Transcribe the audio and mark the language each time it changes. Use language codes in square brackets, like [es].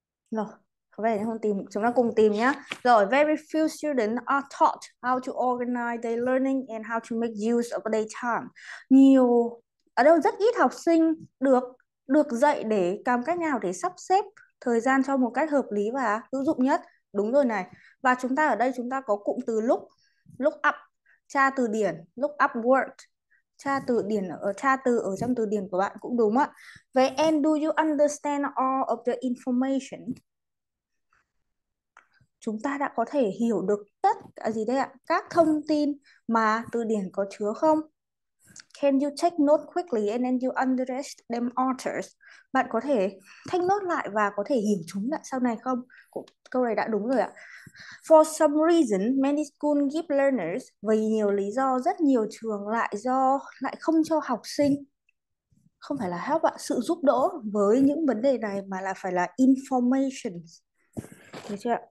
[vi] Rồi, có vẻ không tìm, chúng ta cùng tìm nhé. [en] Rồi, very few students are taught how to organize their learning and how to make use of their time. [vi] Nhiều, ở đâu rất ít học sinh được dạy để làm cách nào để sắp xếp thời gian cho một cách hợp lý và hữu dụng nhất. Đúng rồi này. Và chúng ta ở đây chúng ta có cụm từ look, look up, tra từ điển, look up word. Tra từ điển ở tra từ ở trong từ điển của bạn cũng đúng ạ. [en] Vậy and do you understand all of the information? [vi] Chúng ta đã có thể hiểu được tất cả gì đây ạ? Các thông tin mà từ điển có chứa không? [en] Can you take note quickly and then you understand them authors? [vi] Bạn có thể take note lại và có thể hiểu chúng lại sau này không? Câu này đã đúng rồi ạ. [en] For some reason, many schools give learners, [vi] vì nhiều lý do rất nhiều trường lại không cho học sinh, không phải là help ạ, sự giúp đỡ với những vấn đề này mà là phải là information. Được chưa ạ?